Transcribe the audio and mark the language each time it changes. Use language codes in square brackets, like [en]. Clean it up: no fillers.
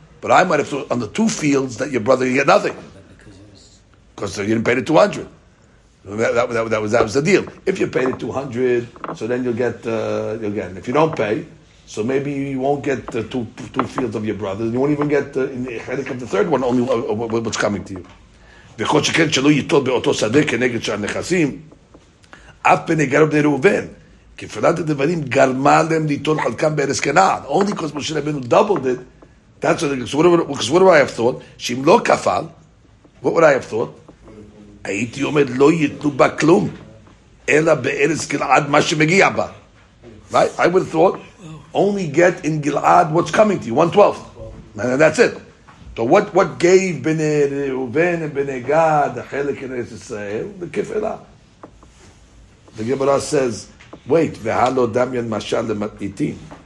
[en] But I might have thought on the two fields that your brother you get nothing because you didn't pay the 200. That was the deal. If you pay the 200, so then you'll get. And if you don't pay, so maybe you won't get the two fields of your brothers. You won't even get the third one. Only what's coming to you. [he] וכל שכן שלא ייטול באותו שדה כנגד שאר נכסים, אף פני גרו בני ראובן, כפילת הדברים גרמה להם ליטול חלקם בארץ כנען. [en] Only because משה רבנו doubled it, that's what, because what would I have thought? [he] שאם לא כפל, [en] what would I have thought? [he] הייתי אומר, לא ייטלו בה כלום, אלא בארץ גלעד מה שמגיע בה. [en] Right? I would have thought, only get in גלעד what's coming to you, 1/12. And that's it. So what gave Bnei Reuven and Bnei Gad the chelik in Eretz Yisrael? The kifela. The Gemara says, wait, [he] v'halo damyan mashal lematitim.